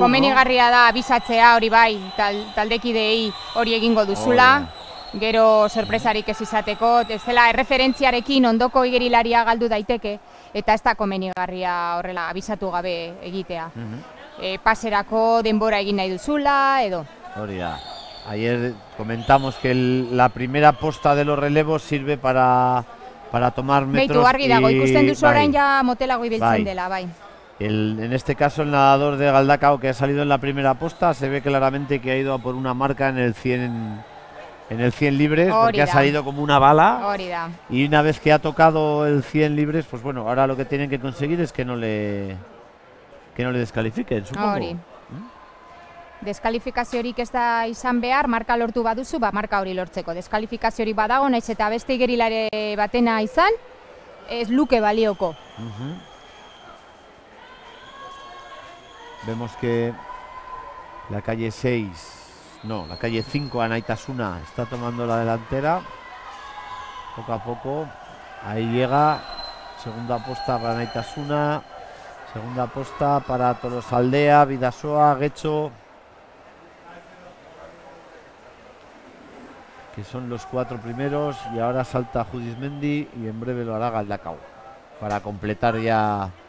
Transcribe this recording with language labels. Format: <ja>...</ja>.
<eu>Komenigarria da abisatzea hori bai, taldekideei hori egingo duzula. Gero sorpresarik ez izateko, ez dela erreferentziarekin ondoko igerilaria galdu daiteke eta ez da komenigarria horrela abisatu gabe egitea. Paserako denbora egin nahi duzula edo. Hori da.</eu> <es>Ayer comentamos que la primera posta de los relevos sirve para tomar metros.</es> <eu>Beitu, argi dago, ikusten duzu orain ya motelago ibiltzen dela, bai.</eu> <es>En este caso, el nadador de Galdakao que ha salido en la primera posta, se ve claramente que ha ido a por una marca en el 100 libres,</es> <eu>orida.</eu> <es>Porque ha salido como una bala.</es> <eu>Orida.</eu> <es>Y una vez que ha tocado el 100 libres, pues bueno, ahora lo que tienen que conseguir es que no le descalifiquen, supongo.</es> <eu>Ori. Deskalifikaziorik ez da izan behar, marka lortu baduzu, ba marka hori lortzeko. Deskalifikaziori badago, naiz eta beste igerilare batena izan, ez luke balioko.</eu> <es>Vemos que la calle 6, no, la calle 5, Anaitasuna, está tomando la delantera. Poco a poco, ahí llega, segunda posta para Anaitasuna, segunda posta para Tolosaldea, Bidasoa, Getxo, que son los 4 primeros, y ahora salta Judith Mendi y en breve lo hará Galdakao para completar ya.</es>